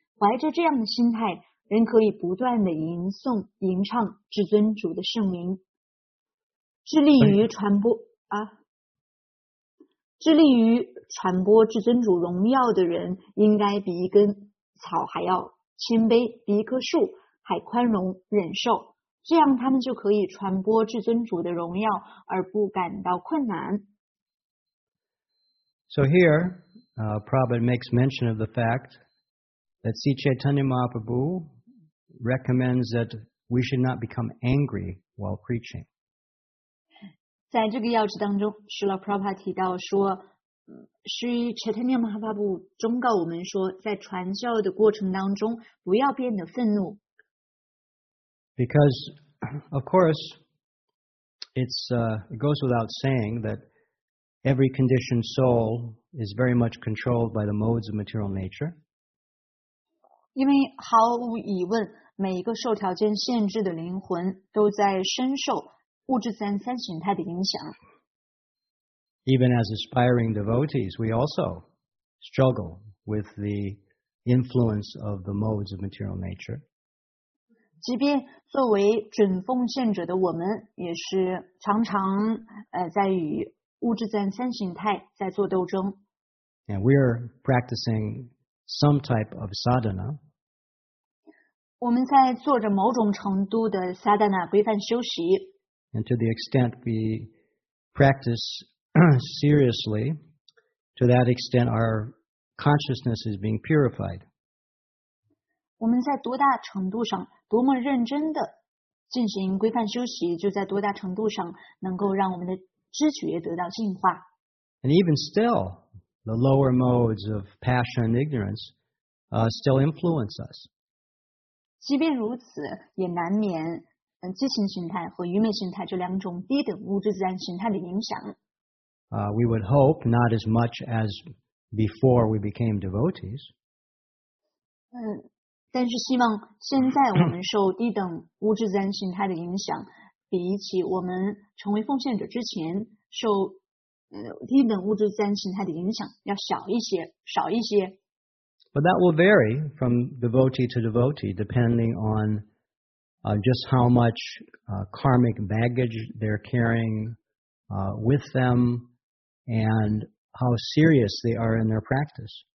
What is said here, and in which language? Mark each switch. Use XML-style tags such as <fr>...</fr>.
<zh>怀着这样的心态，人可以不断的吟诵吟唱至尊主的圣名，致力于传播至尊主荣耀的人，应该比一根草还要谦卑，比一棵树还宽容忍受，这样他们就可以传播至尊主的荣耀而不感到困难。</zh> <en>So here, Prabhupada makes mention of the fact that Sri Chaitanya Mahaprabhu recommends that we should not become angry while preaching.</en> <zh>在这个要旨当中，是了 Prabhupada 提到说，Sri Chaitanya Mahaprabhu 忠告我们说，在传教的过程当中，不要变得愤怒。</zh> <en>Because, of course, it goes without saying that every conditioned soul is very much controlled by the modes of material nature.</en> <zh>因为毫无疑问，每一个受条件限制的灵魂都在深受物质自然三形态的影响。</zh> <en>Even as aspiring devotees, we also struggle with the influence of the modes of material nature.</en> <zh>即便作为准奉献者的我们，也是常常在与物质自然三形态在做斗争。</zh> <en>And we are practicing some type of sadhana.</en> <zh>我们在做着某种程度的 sadhana 规范修习。</zh> <en>And to the extent we practice seriously, to that extent, our consciousness is being purified.</en> <zh>我们在多大程度上多么认真地进行规范修习，就在多大程度上能够让我们的知觉得到净化。</zh> <en>And even still, the lower modes of passion and ignorance still influence us.</en> <zh>即便如此，也难免激情心态和愚昧心态这两种低等物质自然形态的影响。</zh> <en>We would hope not as much as before we became devotees.</en> <zh>但是希望现在我们受低等物质沾心态的影响，比起我们成为奉献者之前受低等物质沾心态的影响要少一些，少一些。</zh> <en>But that will vary from devotee to devotee, depending on just how much karmic baggage they're carrying with them and how serious they are in their practice.</en>